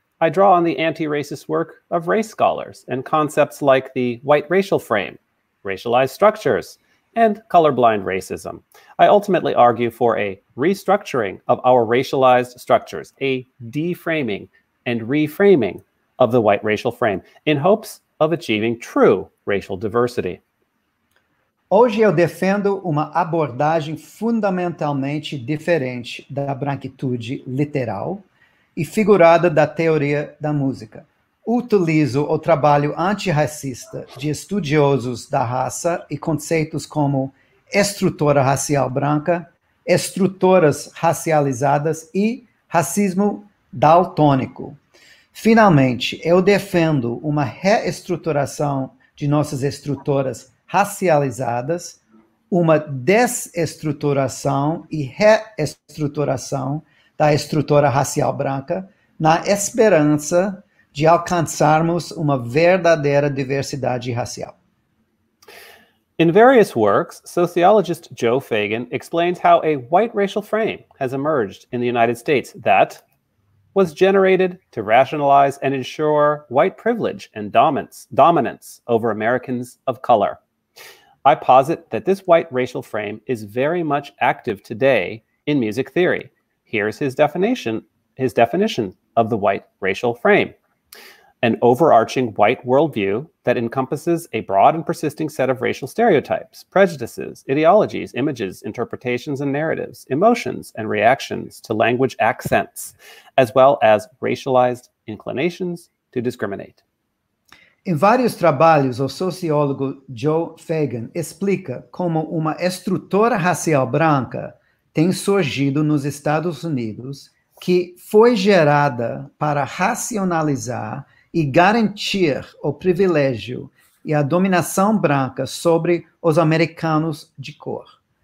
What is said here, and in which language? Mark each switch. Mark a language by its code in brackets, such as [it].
[en] I draw on the anti-racist work of race scholars and concepts like the white racial frame, racialized structures, and colorblind racism. I ultimately argue for a restructuring of our racialized structures, a deframing and reframing of the white racial frame in hopes of achieving true racial diversity. [pt] Hoje eu defendo uma abordagem fundamentalmente diferente da branquitude literal e figurada da teoria da música. Utilizo o trabalho antirracista de estudiosos da raça e conceitos como estrutura racial branca, estruturas racializadas e racismo daltônico. Finalmente, eu defendo uma reestruturação de nossas estruturas racializadas, uma desestruturação e reestruturação da estrutura racial branca, na esperança de alcançarmos uma verdadeira diversidade racial. [en] In various works, sociologist Joe Fagan explains how a white racial frame has emerged in the United States that was generated to rationalize and ensure white privilege and dominance over Americans of color. I posit that this white racial frame is very much active today in music theory. Here's his definition of the white racial frame: an overarching white worldview that encompasses a broad and persisting set of racial stereotypes, prejudices, ideologies, images, interpretations and narratives, emotions and reactions to language accents, as well as racialized inclinations to discriminate. [pt] Em vários trabalhos, o sociólogo Joe Fagan explica como uma estrutura racial branca tem surgido nos Estados Unidos, que foi gerada para racionalizar e garantir o privilégio e a dominação branca sobre os americanos de cor.